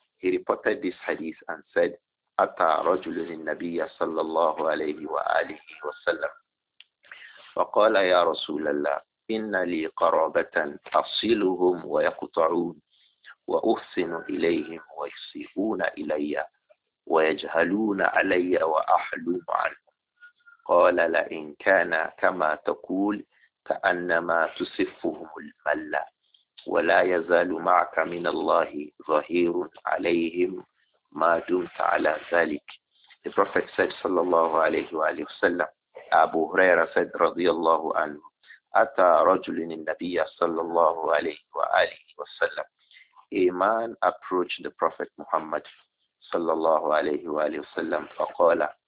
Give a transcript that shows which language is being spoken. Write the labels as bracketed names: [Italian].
[English] He reported this hadith and said, [Arabic] Ata rajulun nabiyya sallallahu alayhi wa sallam faqala ya rasulallah إن لي قرابة أصلهم ويقطعون وأحسن إليهم ويسيئون إلي ويجهلون علي وأحلم عنهم. قال لئن كان كما تقول كأنما تصفهم الملة ولا يزال معك من الله ظهير عليهم ما دمت على ذلك. [English] The Prophet said, sallallahu alayhi wa alayhi wa sallam, Abu Huraira said, radiyallahu anhu, [Arabic] أتى رجل النبي صلى الله عليه وآله وسلم. [English] A man approached the Prophet Muhammad صلى الله عليه وآله وسلم فقال.